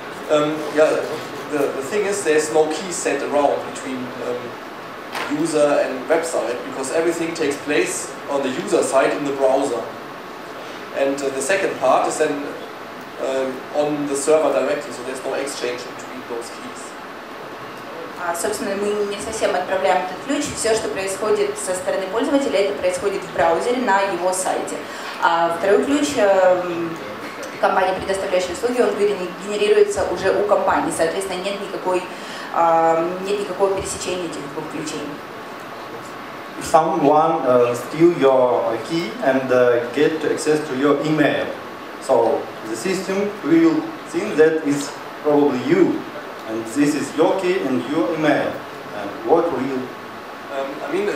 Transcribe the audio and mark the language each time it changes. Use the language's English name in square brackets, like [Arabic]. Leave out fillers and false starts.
[English] The thing is, there's no key set around between user and website, because everything takes place on the user side in the browser. And the second part is then on the server directly, so there's no exchange between those keys. [Russian] Собственно, мы не совсем отправляем этот ключ. Все, что происходит со стороны пользователя, это происходит в браузере на его сайте. А второй ключ компании, предоставляющей услуги, он генерируется уже у компании. Соответственно, нет никакой никакого пересечения этих двух ключей. [English] Someone steal your key and get access to your email. So the system will think that it's probably you. And this is your key and your email. And what will you?